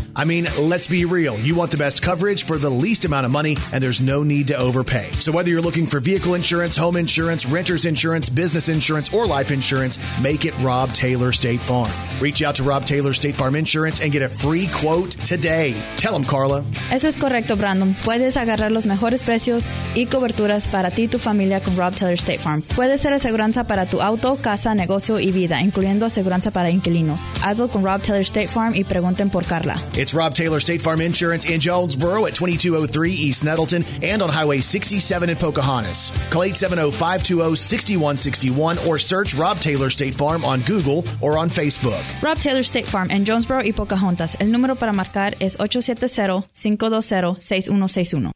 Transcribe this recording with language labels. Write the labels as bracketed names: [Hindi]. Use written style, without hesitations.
[English] I mean, let's be real. You want the best coverage for the least amount of money, and there's no need to overpay. So whether you're looking for vehicle insurance, home insurance, renter's insurance, business insurance, or life insurance, make it Rob Taylor State Farm. Reach out to Rob Taylor State Farm Insurance and get a free quote today. Tell them, Carla. [Spanish] Eso es correcto, Brandon. Puedes agarrar los mejores precios y coberturas para ti y tu familia con Rob Taylor State Farm. Puede ser aseguranza para tu auto, casa, negocio y vida, incluyendo aseguranza para inquilinos. Hazlo con Rob Taylor State Farm y pregunten por Carla. [English] It's Rob Taylor State Farm Insurance in Jonesboro at 2203 East Nettleton and on Highway 67 in Pocahontas. Call 870-520-6161 or search Rob Taylor State Farm on Google or on Facebook. [Spanish] Rob Taylor State Farm in Jonesboro y Pocahontas. El número para marcar es 870-520-6161.